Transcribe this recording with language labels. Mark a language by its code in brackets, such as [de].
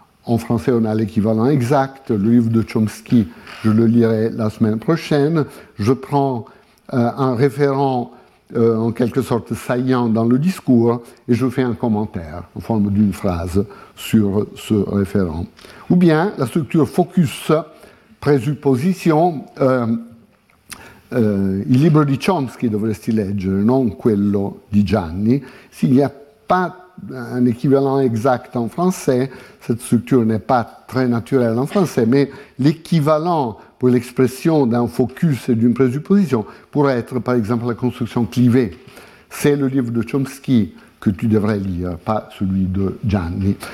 [fr] En français, on a l'équivalent exact. Le livre de Chomsky, je le lirai la semaine prochaine. Je prends un référent, en quelque sorte saillant dans le discours, et je fais un commentaire en forme d'une phrase sur ce référent. Ou bien la structure focus, présupposition, [it] il libro di Chomsky dovresti leggere, non quello di Gianni. [fr] S'il n'y a pas un équivalent exact en français, cette structure n'est pas très naturelle en français, mais l'équivalent pour l'expression d'un focus et d'une présupposition pourrait être par exemple la construction clivée. C'est le livre de Chomsky que tu devrais lire, pas celui de Gianni.